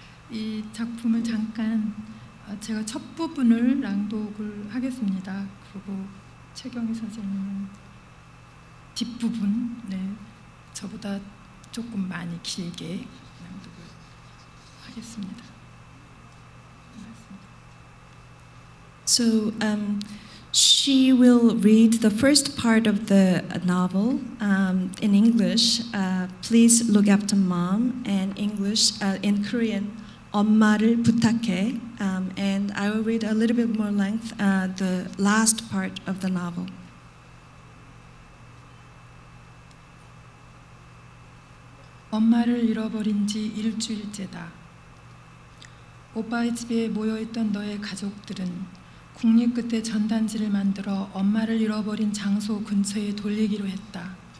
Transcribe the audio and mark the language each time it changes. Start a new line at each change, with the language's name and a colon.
Korean: 이 작품을 잠깐 제가 첫 부분을 낭독을 하겠습니다. 그리고 최경희 선생님은 뒷부분, 네, 저보다 조금 많이 길게 낭독을 하겠습니다.
English: So, she will read the first part of the novel in English, Please Look After Mom, and English in Korean, 엄마를 부탁해. And I will read a little bit more length, the last part of the novel.
Korean: 엄마를 잃어버린 지 일주일째다. 오빠의 집에 모여있던 너의 가족들은 국립 끝에 전단지를 만들어 엄마를 잃어버린 장소 근처에 돌리기로 했다.